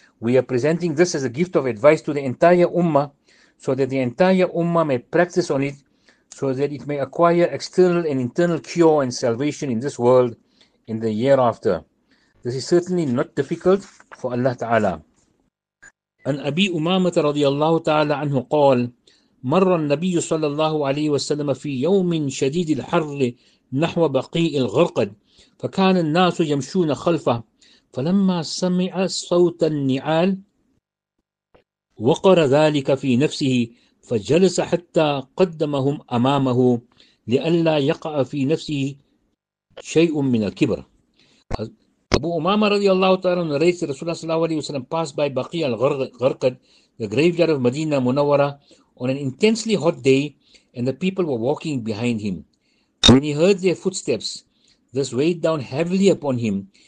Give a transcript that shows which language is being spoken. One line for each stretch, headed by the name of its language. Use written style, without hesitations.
English: We are presenting this as a gift of advice to the entire ummah, so that the entire ummah may practice on it, so that it may acquire external and internal cure and salvation in this world in the year after. This is certainly not difficult for Allah Ta'ala.
Arabic: عن أبي أمامة رضي الله تعالى عنه قال مر النبي صلى الله عليه وسلم في يوم شديد الحر نحو بقيع الغرقد فكان الناس يمشون خلفه فلما سمع صوت النعال وقر ذلك في نفسه فجلس حتى قدمهم أمامه لئلا يقع في نفسه شيء من الكبر.
English: Abu Umama radiallahu ta'ala narrates that Rasulullah sallallahu alayhi wa sallam passed by Baqi al-Gharqad, the graveyard of Medina Munawwara, on an intensely hot day, and the people were walking behind him. When he heard their footsteps, this weighed down heavily upon him.